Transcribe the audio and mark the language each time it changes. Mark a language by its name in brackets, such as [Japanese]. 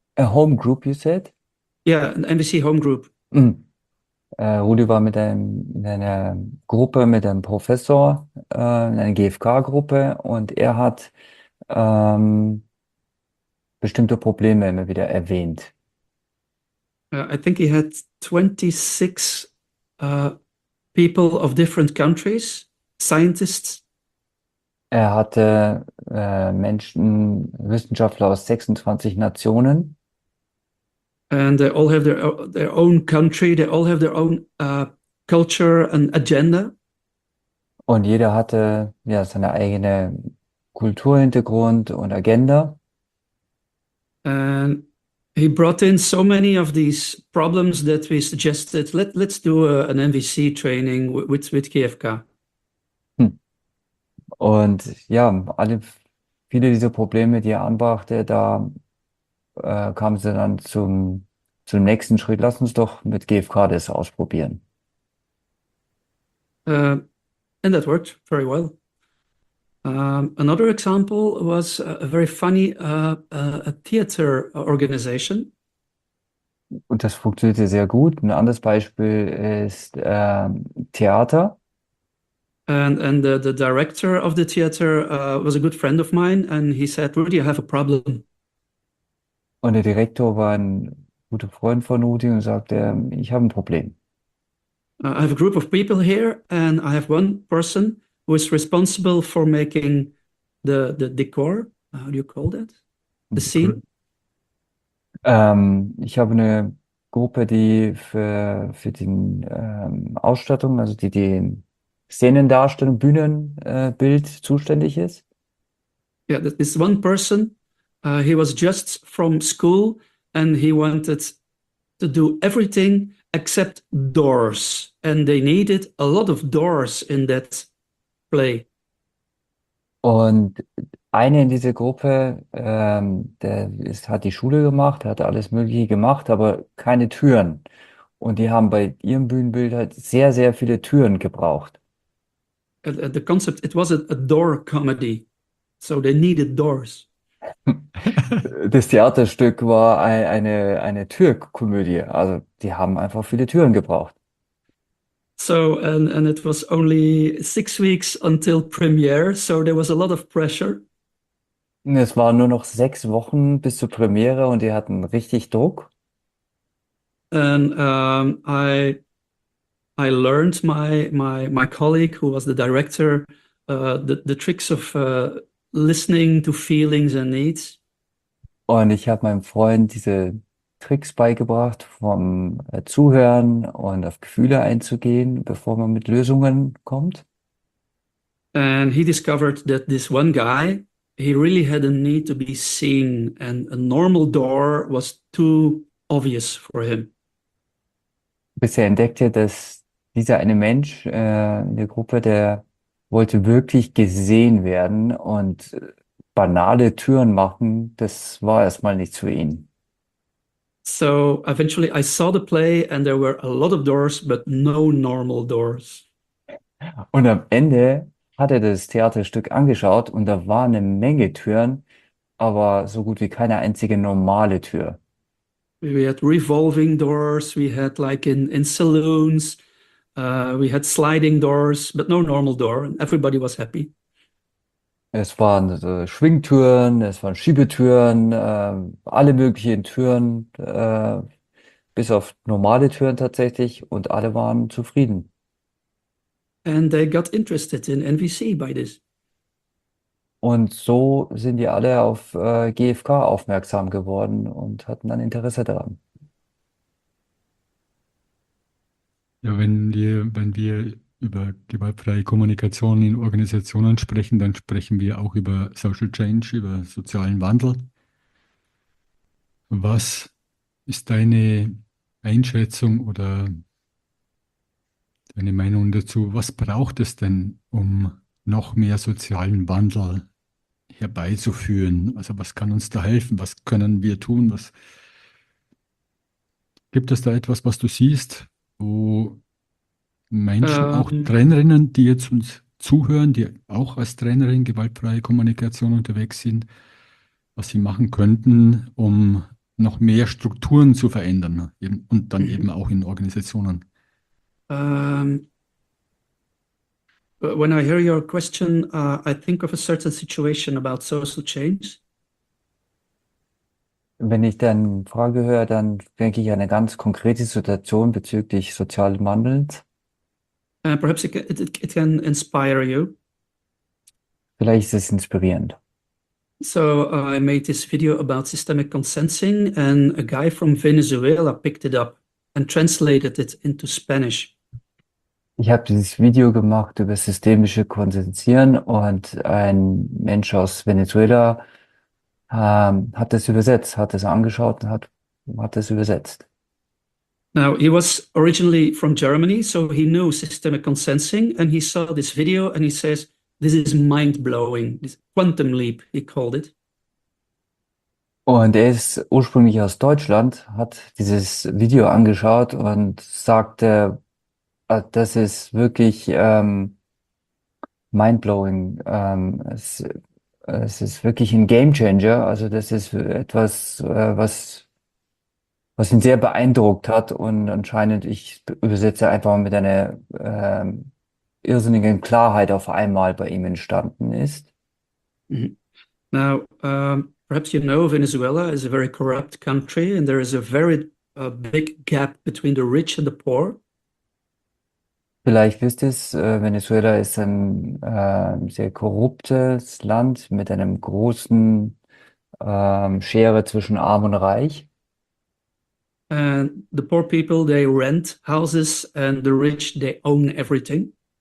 [English] A home group, you said? yeah, an MBC home group. [German] Rudi war in einer Gruppe mit einem Professor, in einer GFK-Gruppe und er hat bestimmte Probleme immer wieder erwähnt. [English] I think he had 26 people of different countries, scientists. [German] Er hatte Menschen, Wissenschaftler aus 26 Nationen. [English] And they all have their own country, they all have their own culture and agenda. [German] Und jeder hatte ja seine eigene Kulturhintergrund und Agenda. [English] And he brought in so many of these problems that we suggested, let's do an MVC training with GFK. [German] Und ja, viele dieser Probleme, die er anbrachte, da kamen sie dann zum nächsten Schritt. Lass uns doch mit GFK das ausprobieren. [English] And that worked very well. Another example was a very funny a theater organization. [German] Und das funktionierte sehr gut. Ein anderes Beispiel ist Theater. [English] And the director of the theater was a good friend of mine, and he said, Rudy, I have a problem. [German] Und der Direktor war ein guter Freund von Rudi und sagte, ich habe ein Problem. [English] I have a group of people here, and I have one person who is responsible for making the decor. How do you call that? The scene. [German] Ich habe eine Gruppe, die für die Ausstattung, also die Szenendarstellung, Bühnenbild zuständig ist. [English] Yeah, this one person. He was just from school, and he wanted to do everything except doors, and they needed a lot of doors in that play. [German] Und eine in dieser Gruppe, hat die Schule gemacht, hat alles Mögliche gemacht, aber keine Türen. Und die haben bei ihrem Bühnenbild halt sehr, sehr viele Türen gebraucht. [English] The concept, it was a door comedy, so they needed doors. [German] Das Theaterstück war eine Türkomödie. Also die haben einfach viele Türen gebraucht. [English] So, and it was only 6 weeks until premiere, so there was a lot of pressure. [German] Es waren nur noch 6 Wochen bis zur Premiere und die hatten richtig Druck. [English] And I learned my colleague, who was the director, the tricks of listening to feelings and needs. [German] Und ich habe meinem Freund diese Tricks beigebracht, vom Zuhören und auf Gefühle einzugehen, bevor man mit Lösungen kommt. [English] And he discovered that this one guy, he really had a need to be seen, and a normal door was too obvious for him. [German] Bis er entdeckte, dass dieser eine Mensch in der Gruppe, der wollte wirklich gesehen werden und banale Türen machen, das war erstmal nichts für ihn. [English] So eventually I saw the play, and there were a lot of doors, but no normal doors. [German] Und am Ende hat er das Theaterstück angeschaut und da war eine Menge Türen, aber so gut wie keine einzige normale Tür. [English] We had revolving doors, we had like in saloons, we had sliding doors, but no normal door, and everybody was happy. [German] Es waren Schwingtüren, es waren Schiebetüren, alle möglichen Türen, bis auf normale Türen tatsächlich, und alle waren zufrieden. [English] And they got interested in NVC by this. [German] Und so sind die alle auf GFK aufmerksam geworden und hatten ein Interesse daran. Ja, wenn wir über gewaltfreie Kommunikation in Organisationen sprechen, dann sprechen wir auch über Social Change, über sozialen Wandel. Was ist deine Einschätzung oder deine Meinung dazu? Was braucht es denn, um noch mehr sozialen Wandel herbeizuführen? Also was kann uns da helfen? Was können wir tun? Was gibt es da etwas, was du siehst, wo Menschen, auch Trainerinnen, die jetzt uns zuhören, die auch als Trainerin gewaltfreie Kommunikation unterwegs sind, was sie machen könnten, um noch mehr Strukturen zu verändern, eben, und dann eben auch in Organisationen? [English] When I hear your question, I think of a certain situation about social change. [German] Wenn ich deine Frage höre, dann denke ich an eine ganz konkrete Situation bezüglich sozialen Wandels. [English] Perhaps it can inspire you. [German] Vielleicht ist es inspirierend. [English] So I made this video about systemic consensing, and a guy from Venezuela picked it up and translated it into Spanish. [German] Ich habe dieses Video gemacht über systemische Konsensieren und ein Mensch aus Venezuela hat es übersetzt, hat es angeschaut und hat es übersetzt. [English] Now, he was originally from Germany, so he knew systemic consensing, and he saw this video and he says, "This is mind-blowing, this quantum leap," he called it. [German] Und er ist ursprünglich aus Deutschland, hat dieses Video angeschaut und sagte, das ist wirklich mindblowing. Es ist wirklich ein Game Changer. Also das ist etwas, was ihn sehr beeindruckt hat. Und anscheinend, ich übersetze einfach mit einer irrsinnigen Klarheit auf einmal bei ihm entstanden ist. [English] Now, perhaps you know Venezuela is a very corrupt country, and there is a very big gap between the rich and the poor. [German] Vielleicht wisst ihr es, Venezuela ist ein sehr korruptes Land mit einem großen Schere zwischen Arm und Reich. [English] And the poor people, they rent houses, and the rich, they own everything.